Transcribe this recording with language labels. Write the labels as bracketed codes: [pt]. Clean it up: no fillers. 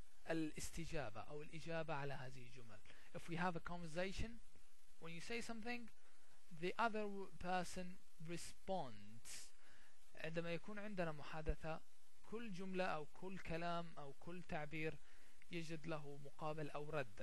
[ar] الاستجابة أو الإجابة على هذه الجمل. [en] If we have a conversation, when you say something, the other person responds. [ar] عندما يكون عندنا محادثة, كل جملة أو كل كلام أو كل تعبير يجد له مقابل أو رد.